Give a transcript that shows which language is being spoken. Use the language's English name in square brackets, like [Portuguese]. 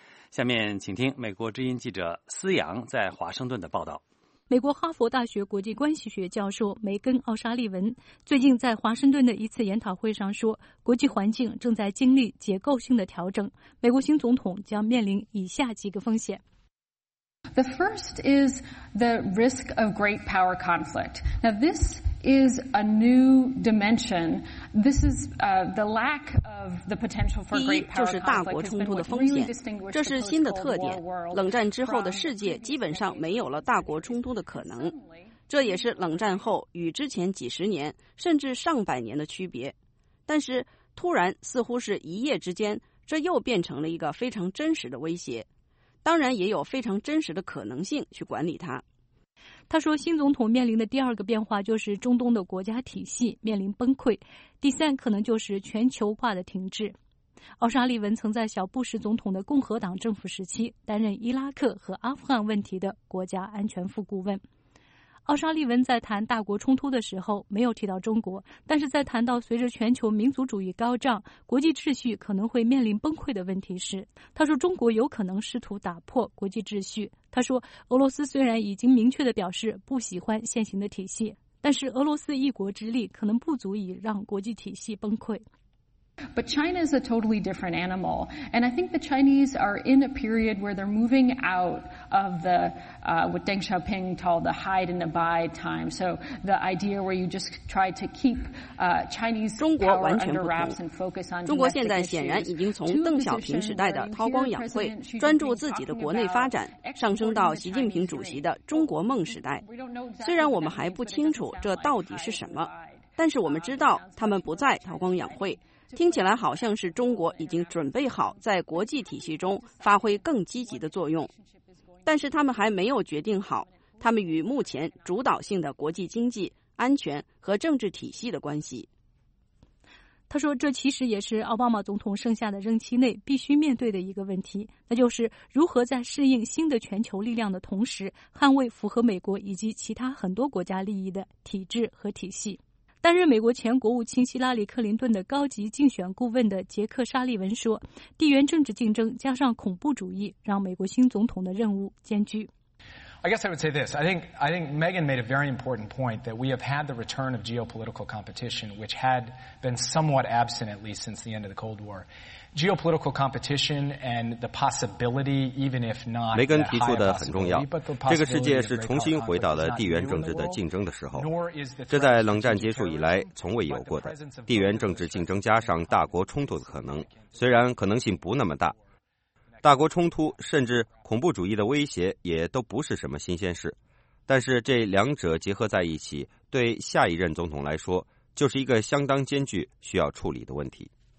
[Chinese] 下面请听美国之音记者思阳在华盛顿的报道。美国哈佛大学国际关系学教授梅根·奥沙利文最近在华盛顿的一次研讨会上说，国际环境正在经历结构性的调整，美国新总统将面临以下几个风险。 [English] The first is the risk of great power conflict. Now, this is a new dimension. This is the lack of the potential for great power conflict. [Chinese] 第一，就是大国冲突的风险，这是新的特点。冷战之后的世界基本上没有了大国冲突的可能，这也是冷战后与之前几十年甚至上百年的区别。但是突然似乎是一夜之间，这又变成了一个非常真实的威胁，当然也有非常真实的可能性去管理它。他说，新总统面临的第二个变化就是中东的国家体系面临崩溃，第三可能就是全球化的停滞。奥沙利文曾在小布什总统的共和党政府时期担任伊拉克和阿富汗问题的国家安全副顾问。奥沙利文在谈大国冲突的时候没有提到中国，但是在谈到随着全球民族主义高涨，国际秩序可能会面临崩溃的问题时，他说中国有可能试图打破国际秩序。他说，俄罗斯虽然已经明确地表示不喜欢现行的体系，但是俄罗斯一国之力可能不足以让国际体系崩溃。 [English] But China is a totally different animal, and I think the Chinese are in a period where they're moving out of the what Deng Xiaoping called the hide and abide time. So the idea where you just try to keep Chinese power under wraps and focus on [Chinese] 中国现在显然已经从邓小平时代的韬光养晦、专注自己的国内发展，上升到习近平主席的中国梦时代。虽然我们还不清楚这到底是什么，但是我们知道他们不再韬光养晦。听起来好像是中国已经准备好在国际体系中发挥更积极的作用，但是他们还没有决定好他们与目前主导性的国际经济、安全和政治体系的关系。他说，这其实也是奥巴马总统剩下的任期内必须面对的一个问题，那就是如何在适应新的全球力量的同时，捍卫符合美国以及其他很多国家利益的体制和体系。担任美国前国务卿希拉里·克林顿的高级竞选顾问的杰克·沙利文说，地缘政治竞争加上恐怖主义让美国新总统的任务艰巨。 [English] I guess I would say this. I think Megan made a very important point that we have had the return of geopolitical competition, which had been somewhat absent at least since the end of the Cold War. Geopolitical competition and the possibility, even if not, [Chinese] 梅根提出的很重要。这个世界是重新回到了地缘政治的竞争的时候，这在冷战结束以来从未有过的地缘政治竞争加上大国冲突的可能，虽然可能性不那么大。大国冲突甚至恐怖主义的威胁也都不是什么新鲜事，但是这两者结合在一起，对下一任总统来说就是一个相当艰巨需要处理的问题。